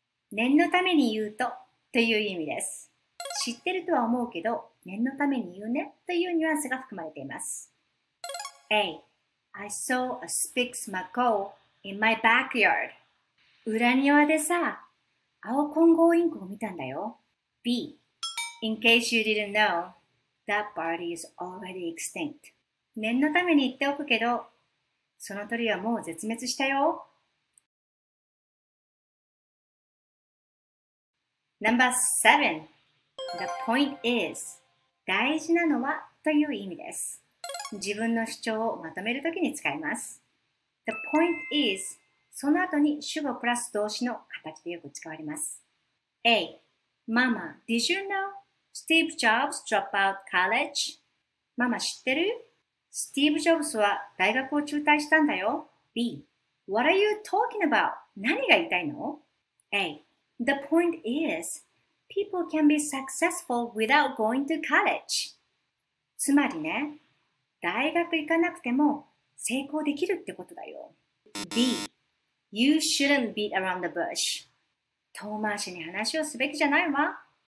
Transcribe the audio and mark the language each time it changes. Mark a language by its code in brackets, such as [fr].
[ja] 念のために言うとという意味です。知ってるとは思うけど、念のために言うねというニュアンスが含まれています。 [en] A. I saw a Spix Macaw in my backyard. [ja] 裏庭でさ、青混合インコを見たんだよ。 [en] B. In case you didn't know, that bird is already extinct. [ja] 念のために言っておくけど、その鳥はもう絶滅したよ。 [en] Number 7. The point is. [ja] 大事なのはという意味です。自分の主張をまとめるときに使います。 [en] The point is. [ja] その後に主語プラス動詞の形でよく使われます。 [en] A. Mama, did you know Steve Jobs dropped out college? [ja] ママ知ってる？スティーブ・ジョブスは大学を中退したんだよ。 [en] B. What are you talking about? [ja] 何が言いたいの？ [en] A. The point is, people can be successful without going to college. [ja] つまりね、大学行かなくても成功できるってことだよ。 [en] B. You shouldn't beat around the bush. [ja] 遠回しに話をすべきじゃないわ。